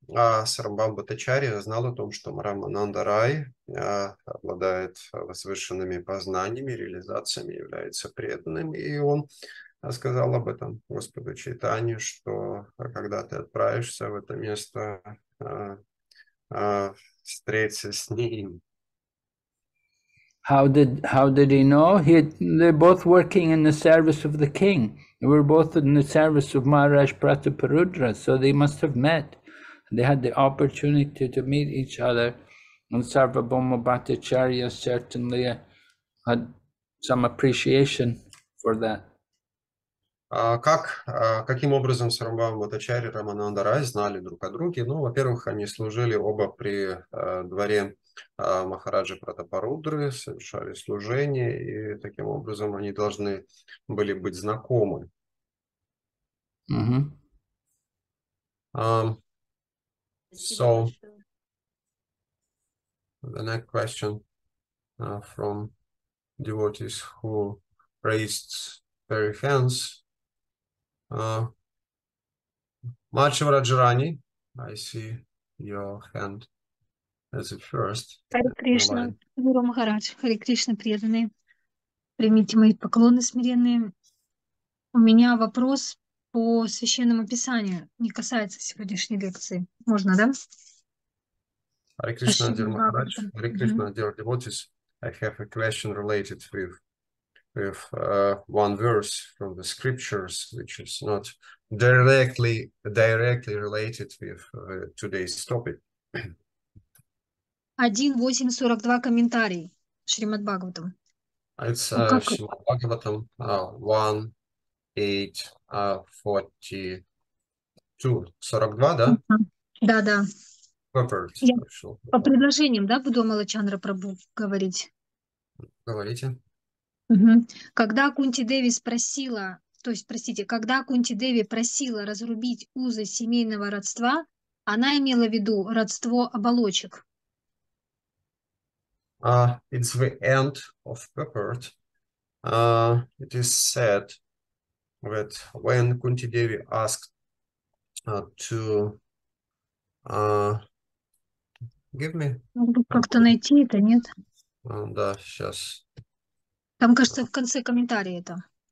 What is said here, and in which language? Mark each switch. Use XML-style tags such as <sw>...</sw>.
<ru>А Сарамбам Бхаттачарья знал о том, что Рамананда Рай обладает возвышенными познаниями, реализациями, является преданным, и он сказал об этом Господу Чайтанье, что когда ты отправишься в это место, встретиться с ним.</ru> <en>How did he know? They're both working in the service of the king. They were both in the service of Maharaj Prataparudra, so they must have met. They had the opportunity to meet each other, and Sarvabhauma Bhattacharya certainly had some appreciation for that.</en> <ru>Каким образом Сарамбам Бхаттачарья и Рамананда Рай знали друг о друге? Ну, во-первых, они служили оба при дворе Махараджи Пратапарудры, совершали служение, и таким образом они должны были быть знакомы. Mm-hmm.</ru> <en>So, the next question from devotees who raised their hands. Madhava Rajarani, I see your hand as the first.</en> <ru>Hare Krishna, Guru Maharaj, Hare Krishna, преданные. Примите мои поклоны смиренные. У меня вопрос по священному писанию, не касается сегодняшней лекции. Можно, да?</ru> <en>Hare Krishna, dear Maharaj, Hare Krishna, dear devotees, I have a question related with one verse from the scriptures, which is not directly related with today's topic.</en> <ru>1.8.42 комментарий Шримад Бхагаватам.</ru> <en>It's Шримад Бхагаватам 1.8.42.</en> <ru>42, да? Да. По предложениям, да, буду Амалачандра Прабу говорить? Говорите. Когда Кунти Деви спросила, то есть, простите, когда Кунти Деви просила разрубить узы семейного родства, она имела в виду родство оболочек.</ru> <en>It's the end of purport. It is said that when Kunti Devi asked give me.</en> <ru>Как-то найти это, нет? Да, сейчас. Там, кажется, в конце комментария это.</ru>